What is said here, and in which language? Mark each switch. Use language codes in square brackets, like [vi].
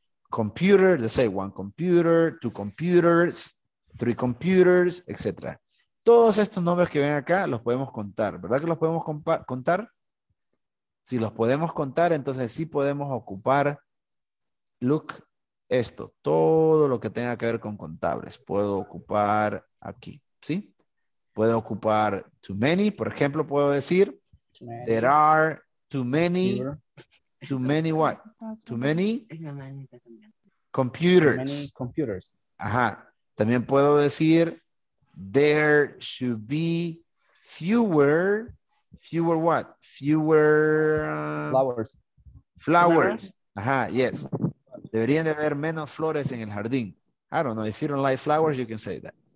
[en] Computer, they say one computer, two computers, three computers, etc. [es] Todos estos nombres que ven acá los podemos contar, ¿verdad que los podemos contar? Si los podemos contar, entonces sí podemos ocupar, look, esto, todo lo que tenga que ver con contables, puedo ocupar aquí, ¿sí? Puedo ocupar too many, por ejemplo, puedo decir... [en] There are too many, computer. Too many what? Too many computers. Too many computers. [es] Ajá. También puedo decir, [en] there should be fewer what? Fewer flowers. Flowers. Ajá, yes. [es] Deberían de haber menos flores en el jardín. [en] I don't know. If you don't like flowers, you can say that.